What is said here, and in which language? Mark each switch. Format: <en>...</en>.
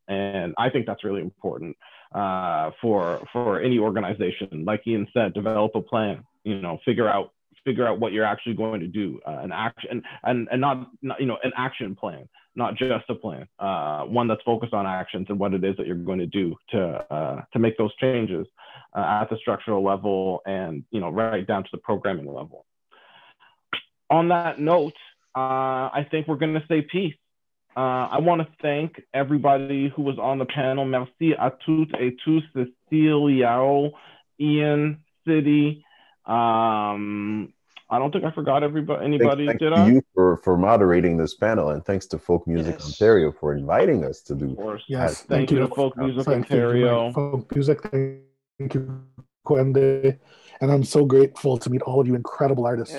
<en>And I think that's really important. For any organization, like Ian said, develop a plan, you know, figure out what you're actually going to do, an action plan, not just a plan, one that's focused on actions and what it is that you're going to do to make those changes at the structural level and, you know, right down to the programming level. On that note, I think we're going to say peace. I want to thank everybody who was on the panel.</en> <fr>Merci à toutes et tous, Cecile, Yao, Ian, City.</fr> <en>I don't think I forgot anybody, thanks, did thank I? You for moderating this panel, and thanks to Folk Music Ontario for inviting us to do. Of course. Yes, thank you to Folk Music Ontario. Thank you, Gwende. And I'm so grateful to meet all of you incredible artists.</en>